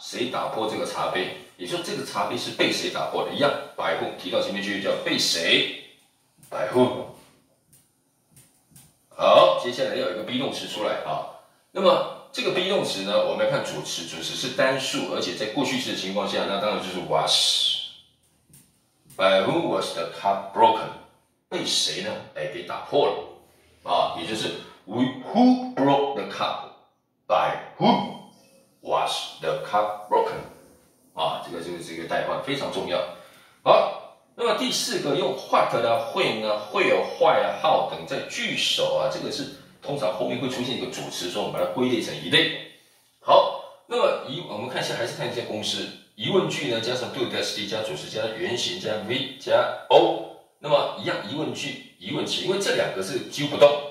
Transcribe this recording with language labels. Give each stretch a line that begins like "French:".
Chinese: 谁打破这个茶杯？也就是这个茶杯是被谁打破的？一样 ，by whom？提到前面去叫被谁 ？by whom？ 好，接下来要有一个 be 动词出来啊。那么这个 be 动词呢，我们要看主词，主词是单数，而且在过去式的情况下，那当然就是 was。
English: By whom was the cup broken？
Chinese: 被谁呢？哎，给打破了啊，也就是
English: who broke the cup？ By whom was the cup broken？
Chinese: 啊，这个代换非常重要。好。那么第四个用 what 呢 ？when 呢 ？where、why 啊 ？how 等在句首啊，这个是通常后面会出现一个主词，所以我们把它归类成一类。好，那么我们看一下，还是看一下公式。疑问句呢，加上 do 加 st 加主词加原形加 v 加 o， 那么一样疑问句、疑问词，因为这两个是几乎不动。